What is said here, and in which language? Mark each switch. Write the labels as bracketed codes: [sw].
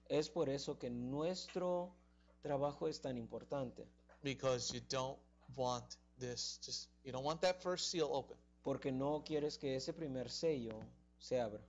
[es] Es por eso que nuestro trabajo es tan importante. [en] Because you don't want this, you don't want that first seal open. [es] Porque no quieres que ese primer sello se abra.